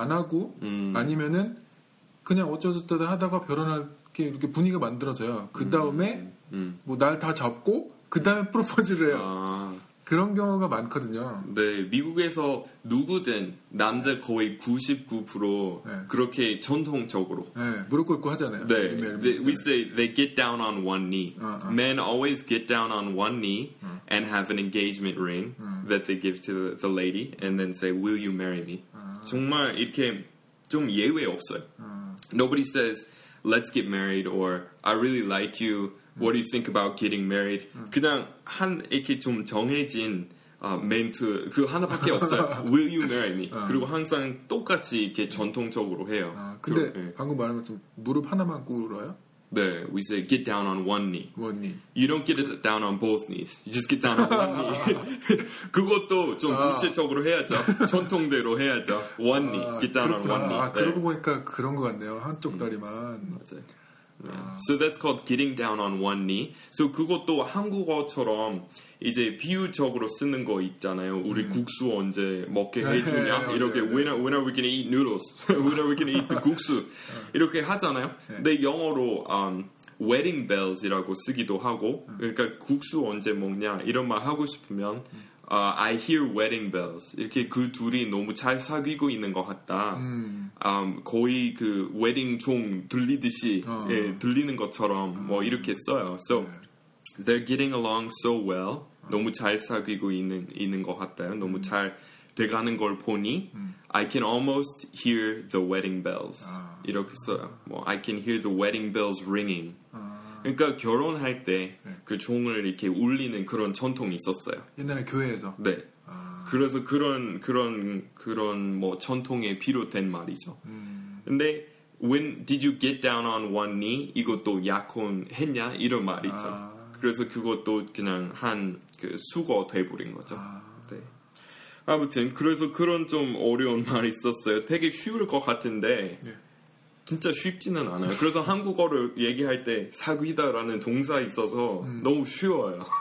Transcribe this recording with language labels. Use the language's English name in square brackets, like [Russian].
[Korean] 안 하고 아니면은 그냥 어쩌저쩌다 하다가 결혼할게 이렇게 분위기가 만들어져요. 그 다음에 뭐 날 다 잡고 그 다음에 프로포즈를 해요. 그런 경우가 많거든요. 네, 미국에서 누구든 남자 거의 99% 네. 그렇게 전통적으로 네, 무릎 꿇고 하잖아요. 네, [English] we say they get down on one knee. Men always get down on one knee and have an engagement ring that they give to the lady and then say, "Will you marry me?" [Korean] 정말 이렇게 좀 예외 없어요. [English] Nobody says, "Let's get married" or "I really like you." What do you think about getting married? [Korean] 그냥 한 이렇게 좀 정해진 멘트 그 하나밖에 없어요. [English] Will you marry me? [Korean] 그리고 항상 똑같이 이렇게 전통적으로 해요. 근데 방금 말한 것처럼 무릎 하나만 꿇어요? 네, [English] we say get down on one knee. One knee. You don't get it down on both knees. You just get down on one knee. [Korean] 그것도 좀 구체적으로 해야죠. 전통대로 해야죠. [English] One knee. Get down [Korean] 그렇구나. [English] on one knee. [Korean] 아, 네. 그러고 보니까 그런 것 같네요. 한쪽 다리만. 맞아요. [English] So that's called getting down on one knee. [Korean] So 그것도 한국어처럼 이제 비유적으로 쓰는 거 있잖아요. 우리 국수 언제 먹게 해주냐? [English] 이렇게 when are we gonna eat noodles? when are we gonna eat the 국수? [Korean] 이렇게 하잖아요. 근데 영어로 wedding bells이라고 쓰기도 하고 그러니까 국수 언제 먹냐 이런 말 하고 싶으면 [English] I hear wedding bells [Korean] 이렇게 그 둘이 너무 잘 사귀고 있는 것 같다 거의 그 wedding 종 들리듯이 예, 들리는 것처럼 뭐 이렇게 써요 [English] so they're getting along so well [Korean] 너무 잘 사귀고 있는 것 같아요 너무 잘 돼가는 걸 보니 [English] I can almost hear the wedding bells [Korean] 이렇게 써요 뭐, [English] I can hear the wedding bells ringing [Korean] 그러니까 결혼할 때 그 종을 이렇게 울리는 그런 전통이 있었어요. 옛날에 교회에서. 네. 아. 그래서 그런 뭐 전통에 비롯된 말이죠. 근데 [English] when did you get down on one knee? [Korean] 이것도 약혼했냐 이런 말이죠. 아. 그래서 그것도 그냥 한 그 수거 돼버린 거죠. 아. 네. 아무튼 그래서 그런 좀 어려운 말이 있었어요. 되게 쉬울 것 같은데. 예. 진짜 쉽지는 않아요. 그래서 한국어를 얘기할 때 사귀다라는 동사 있어서 너무 쉬워요.